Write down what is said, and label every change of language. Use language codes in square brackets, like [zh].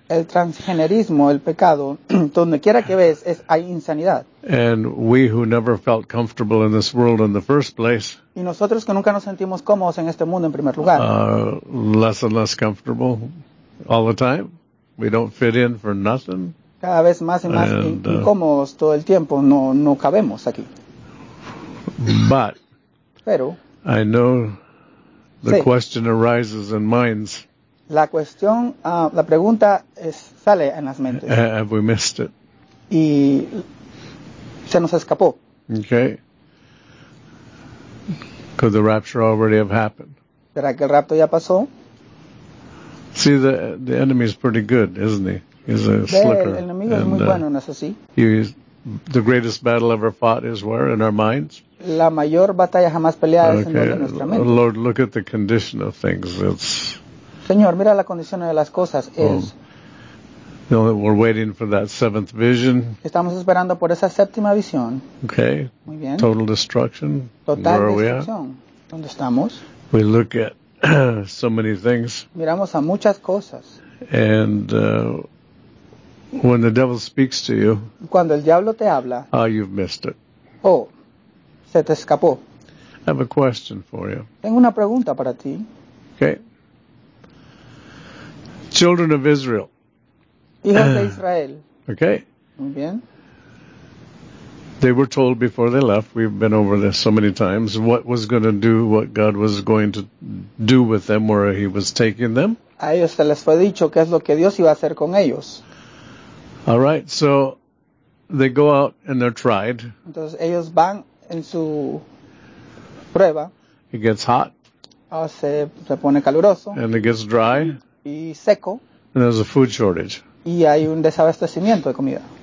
[es] El transgenerismo, el pecado, donde quiera que ves, es hay insanidad. [en] And we who never felt comfortable in this world in the first place. [es] Y nosotros que nunca nos sentimos cómodos en este mundo en primer lugar. [en] Less and less comfortable, all the time. We don't fit in for nothing. [es] Cada vez más y más incómodos todo el tiempo. No cabemos aquí. [en] But. [es] Pero. [en] I know. The question arises in minds. [es] La cuestión, la pregunta es, sale en las mentes. [en] Have we missed it? [es] Y se nos escapó. [en] Okay. Could the rapture already have happened? [es] ¿Será que el rapto ya pasó? [en] See, the enemy is pretty good, isn't he? He's a slicker. [es] El enemigo es muy bueno, ¿no es así? [en] The greatest battle ever fought is where? In our minds? [es] La mayor batalla jamás peleada es en nuestra mente. [en] Lord, look at the condition of things. It's, [es] Señor, mira la condición de las cosas. [en] We're waiting for that seventh vision. [es] Estamos esperando por esa séptima visión. [en] Okay. [es] Muy bien. [en] Total destruction. [es] Total [en] where [es] destrucción. [en] Are we [es] at? ¿Dónde estamos? [en] We look at so many things. [es] Miramos a muchas cosas. [en] And when the devil speaks to you, [es] cuando el diablo te habla, [en] you've missed it. [es] Oh, se te escapó. [en] I have a question for you. [es] Tengo una pregunta para ti. [en] Okay. Children of Israel. [es] Hijos de Israel. [en] Okay. [es] Muy bien. [en] They were told before they left, we've been over this so many times, what God was going to do with them, where He was taking them. [es] A ellos se les fue dicho qué es lo que Dios iba a hacer con ellos. [en] All right, so they go out and they're tried. [es] Entonces ellos van en su prueba. [en] It gets hot. [es] Se pone caluroso. [en] And it gets dry. [es] Y seco. [en] And there's a food shortage. [es] Y hay un desabastecimiento de comida.